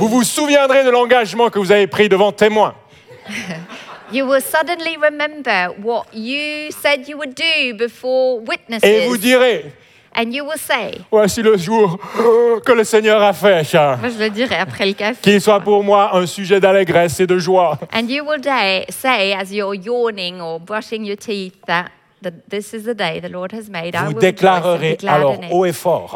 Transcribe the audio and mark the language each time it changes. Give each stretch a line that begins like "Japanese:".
French: vous vous souviendrez de l'engagement que vous avez pris devant témoins.
English: You will suddenly remember what you said you would do before witnesses.
French: Et vous direz,
English: and you will say,
French: voici le jour que le Seigneur a fait. Moi, je le dirai après le café. Qu'il soit pour moi un sujet d'allégresse et de joie.
English: And you will say, as you're yawning or brushing your teeth, that this is the day the Lord has made.
French: Vous déclarerez alors haut et fort.